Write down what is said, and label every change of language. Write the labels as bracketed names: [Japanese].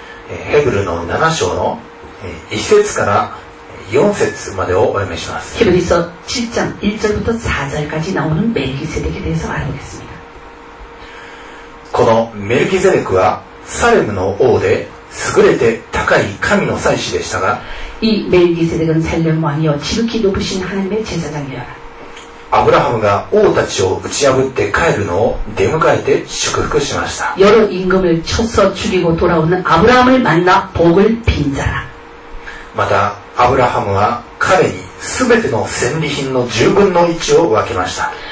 [Japanese] ヘブルの7章の1節から4節までをお読みします [Korean] ヘブリソ7장1절부터4절까지나오는멜기세덱에대해서알아보겠습니다 [Japanese] このメルキゼデクはサレムの王で優れて高い神の祭司でしたが、 [Korean] 이멜기세덱은살렘왕이요지극히높으신하나님의제사장이라 아브라함과 [Japanese] 王たちを打ち破って帰るのを出迎えて祝福しました [Korean] 여러임금을쳐서죽이고돌아오는아브라함을만나복을빈자라 [Japanese] またアブラハムは彼に全ての戦利品の10分の1を分けました。